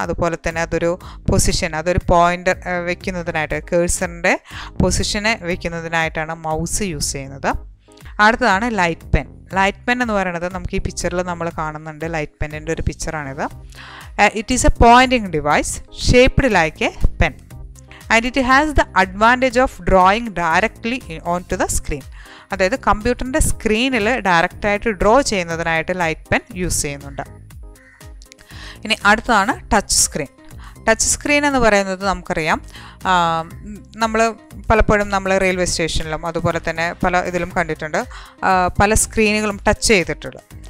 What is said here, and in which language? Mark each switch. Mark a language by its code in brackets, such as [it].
[ml] അതുപോലെ തന്നെ അതൊരു പൊസിഷൻ, അതൊരു പോയിൻ്റർ വെക്കുന്നതിനായിട്ട്, കേഴ്സറിൻ്റെ പൊസിഷനെ വെക്കുന്നതിനായിട്ടാണ് മൗസ് യൂസ് ചെയ്യുന്നത്. അടുത്തതാണ് ലൈറ്റ് പെൻ. ലൈറ്റ് പെൻ എന്ന് പറയുന്നത് നമുക്ക് ഈ പിക്ചറിൽ നമ്മൾ കാണുന്നുണ്ട്, ലൈറ്റ് പെന്നിൻ്റെ ഒരു പിക്ചറാണിത്. [en] It is a pointing device shaped like a pen. And it has the advantage of drawing directly onto the screen. [ml] അതായത് കമ്പ്യൂട്ടറിൻ്റെ സ്ക്രീനിൽ ഡയറക്റ്റ് ആയിട്ട് ഡ്രോ ചെയ്യുന്നതിനായിട്ട് ലൈറ്റ് പെൻ യൂസ് ചെയ്യുന്നുണ്ട്. ഇനി അടുത്തതാണ് ടച്ച് സ്ക്രീൻ. ടച്ച് സ്ക്രീൻ എന്ന് പറയുന്നത് നമുക്കറിയാം നമ്മൾ പലപ്പോഴും നമ്മൾ റെയിൽവേ സ്റ്റേഷനിലും അതുപോലെ തന്നെ പല ഇതിലും കണ്ടിട്ടുണ്ട്, പല സ്ക്രീനുകളും ടച്ച് ചെയ്തിട്ടുള്ളത്.